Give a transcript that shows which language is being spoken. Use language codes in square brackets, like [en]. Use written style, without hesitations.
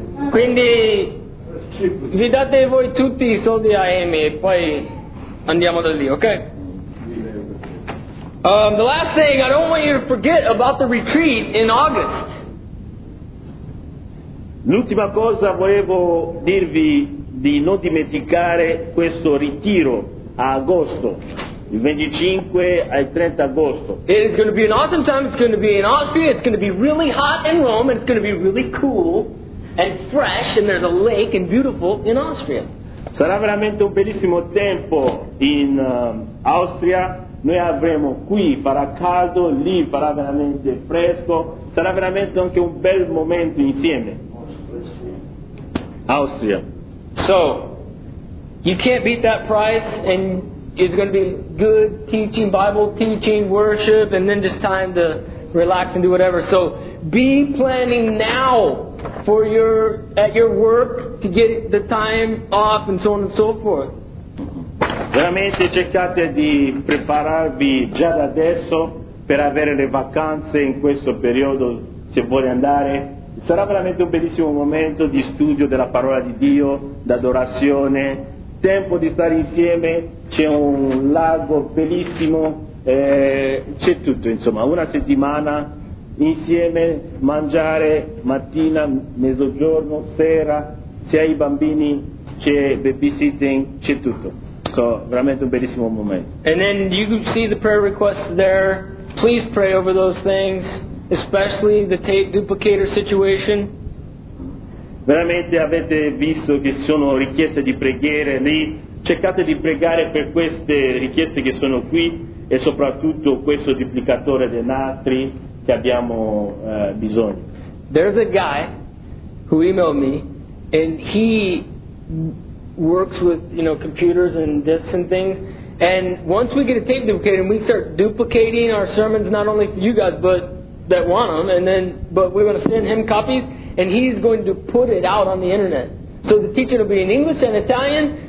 [it] Quindi vi date voi tutti i soldi a Amy e poi andiamo da lì, ok? [en] The last thing, I don't want you to forget about the retreat in August. [it] L'ultima cosa volevo dirvi di non dimenticare questo ritiro a agosto, il 25 al 30 agosto. [en] It is going to be an awesome time, it's going to be in Austria, it's going to be really hot in Rome, and it's going to be really cool and fresh, and there's a lake and beautiful in Austria. [it] Sarà veramente un bellissimo tempo in Austria. Noi avremo qui, farà caldo, lì farà veramente fresco, sarà veramente anche un bel momento insieme. Austria. [en] So, you can't beat that price, and it's going to be good teaching, Bible teaching, worship, and then just time to relax and do whatever. So, be planning now for your work to get the time off and so on and so forth. [it] Veramente cercate di prepararvi già da adesso per avere le vacanze in questo periodo, se vuoi andare. Sarà veramente un bellissimo momento di studio della parola di Dio, d'adorazione, tempo di stare insieme, c'è un lago bellissimo, c'è tutto, insomma, una settimana insieme, mangiare mattina, mezzogiorno, sera, se hai i bambini c'è babysitting, c'è tutto. So, veramente un bellissimo momento. [en] And then you can see the prayer requests there. Please pray over those things, especially the tape duplicator situation. [it] Veramente avete visto che sono richieste di preghiere lì. Cercate di pregare per queste richieste che sono qui e soprattutto questo duplicatore dei nastri che abbiamo bisogno. [en] There's a guy who emailed me and he works with, you know, computers and discs and things, and once we get a tape duplicator and we start duplicating our sermons, not only for you guys but that want them, and then but we're going to send him copies and he's going to put it out on the internet, so the teaching will be in English and Italian.